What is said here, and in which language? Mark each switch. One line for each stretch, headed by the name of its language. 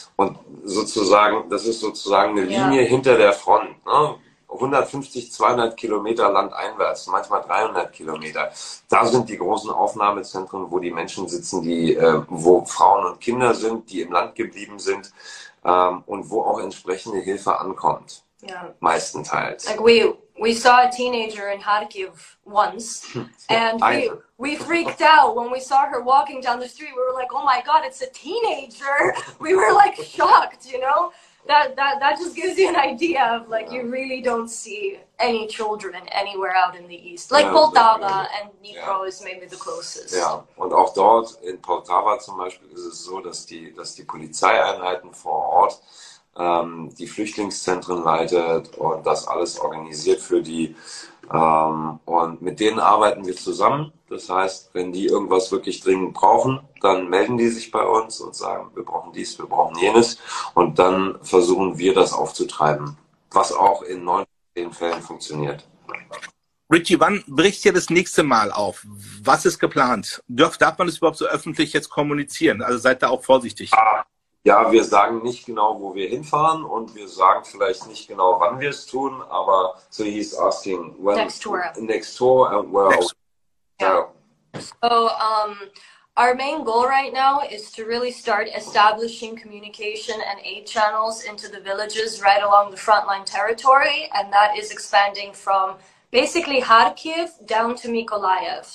German: Und sozusagen, das ist sozusagen eine Linie hinter der Front. Ne? 150, 200 Kilometer landeinwärts, manchmal 300 Kilometer. Da sind die großen Aufnahmezentren, wo die Menschen sitzen, wo Frauen und Kinder sind, die im Land geblieben sind und wo auch entsprechende Hilfe ankommt. Ja. Meistenteils.
English: Like we saw a teenager in Kharkiv once, and we freaked out when we saw her walking down the street. We were like, oh my god, it's a teenager. We were like shocked, you know? That just gives you an idea of like you really don't see any children anywhere out in the east. Like Poltava and Dnipro is maybe the closest.
German: Ja, und auch dort in Poltava zum Beispiel ist es so, dass die Polizeieinheiten vor Ort die Flüchtlingszentren leitet und das alles organisiert für die. Und mit denen arbeiten wir zusammen. Das heißt, wenn die irgendwas wirklich dringend brauchen, dann melden die sich bei uns und sagen, wir brauchen dies, wir brauchen jenes. Und dann versuchen wir, das aufzutreiben, was auch in 9 von 10 Fällen funktioniert. Richie, wann bricht ihr das nächste Mal auf? Was ist geplant? Darf man das überhaupt so öffentlich jetzt kommunizieren? Also seid da auch vorsichtig. Ja, wir sagen nicht genau, wo wir hinfahren und wir sagen vielleicht nicht genau, wann wir es tun, aber so
English: he's asking, when next tour. Next tour and where next. So, our main goal right now is to really start establishing communication and aid channels into the villages right along the frontline territory, and that is expanding from basically Kharkiv down to Mykolaiv.